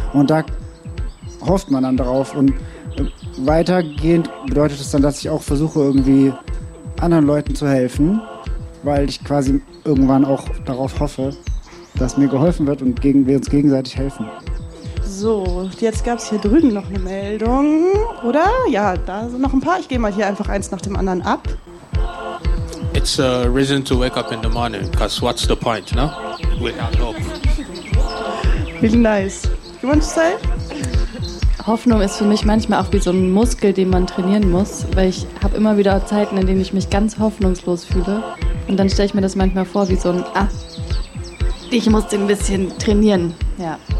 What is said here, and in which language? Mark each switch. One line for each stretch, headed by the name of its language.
German: Und da hofft man dann drauf. Und weitergehend bedeutet es dann, dass ich auch versuche, irgendwie anderen Leuten zu helfen, weil ich quasi irgendwann auch darauf hoffe, dass mir geholfen wird und wir uns gegenseitig helfen. So, jetzt gab es hier drüben noch eine Meldung, oder? Ja, da sind noch ein paar. Ich gehe mal hier einfach eins nach dem anderen ab.
English: It's a reason to wake up in the morning, because what's the point, no? Without hope. Really nice. You want to say?
German: Hoffnung ist für mich manchmal auch wie so ein Muskel, den man trainieren muss, weil ich habe immer wieder Zeiten, in denen ich mich ganz hoffnungslos fühle. Und dann stelle ich mir das manchmal vor wie so ein, ah, ich muss den ein bisschen trainieren. Ja.